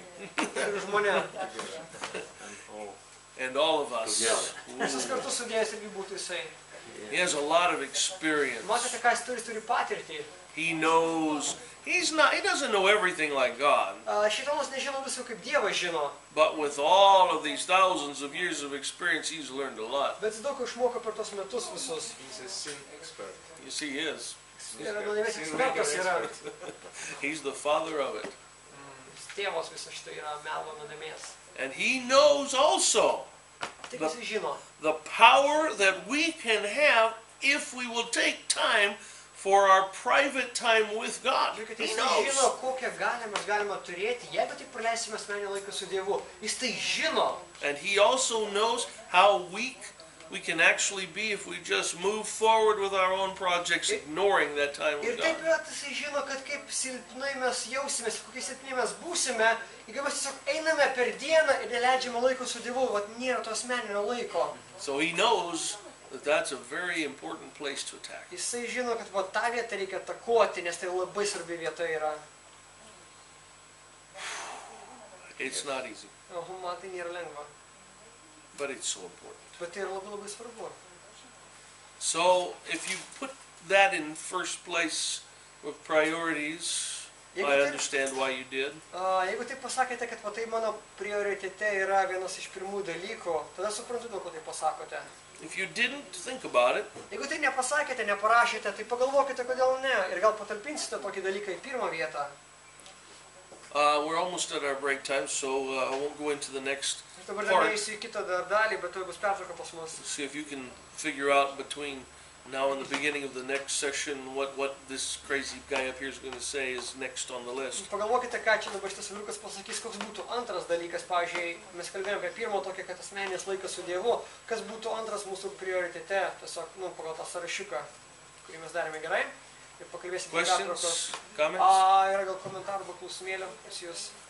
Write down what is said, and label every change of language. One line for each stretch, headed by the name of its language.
Lithuanian: Ir už mane.
English: And all of us.
Lithuanian: Visus kartu sudėjus irgi būtų jisai.
English: He has a lot of experience.
Lithuanian: Matote, ką jis turi patirtį.
English: He knows. He doesn't know everything like God.
Lithuanian: Šitomas nežino visų, kaip Dievas žino.
English: But with all of these thousands of years of experience, he's learned a lot.
Lithuanian: Bet daug išmoko per tos metus visus.
English: He's a sin expert. You see, he is.
Lithuanian: Ekspertas yra.
English: He's the father of it.
Lithuanian: Tėvas visą šitą yra melo nuodėmės.
English: And he knows also the power that we can have if we will take time for our private time with God. He knows.
Lithuanian: Žino, kokią galią mes galime turėti, jeigu tik praleisime asmeninį laiką su Dievu. Jis tai žino.
English: And he also knows how weak we can actually be if we just move forward with our own projects, ignoring that time with God.
Lithuanian: Ir taip pat jis žino, kad kaip silpnai mes jausimės, kokie silpni mes būsime, jeigu mes tiesiog einame per dieną ir neleidžiame laiko su Dievu, vat nėra to asmeninio laiko.
English: So he knows that that's a very important place to attack.
Lithuanian: Jisai žino, kad va tą vietą reikia atakuoti, nes tai labai svarbi vieta yra.
English: It's not easy.
Lithuanian: Man tai nėra lengva.
English: But it's so important.
Lithuanian: Bet tai yra labai labai svarbu.
English: So, if you put that in first place with priorities, I understand why you did.
Lithuanian: Jeigu taip pasakėte, kad va tai mano prioritete yra vienas iš pirmų dalykų, tada suprantu, dėl ko taip pasakote.
English: If you didn't think about it.
Lithuanian: Jeigu tai nepasakėte, neparašėte, tai pagalvokite, kodėl ne, ir gal patalpinsite tokį dalyką į pirmą vietą.
English: We're almost at our break time, so I won't go into the next part.
Lithuanian: Dabar neįsiu į kitą dalį, bet tai bus pertrauka pas mus.
English: See if you can figure out between now and the beginning of the next session what this crazy guy up here is going to say is next on the list.
Lithuanian: Pagalvokite, ką čia dabar šitas vyrukas pasakys, koks būtų antras dalykas. Pavyzdžiui, mes kalbėjome apie pirmą tokią, kad asmeninis laikas su Dievu, kas būtų antras mūsų prioritete, tiesiog, nu, pagal tą sąrašiuką, kurį mes darėme gerai, ir pakalbėsime apie pertrauką.
English: Questions, comments?
Lithuanian: Yra gal komentarų, arba klausimėlių, pas jūs.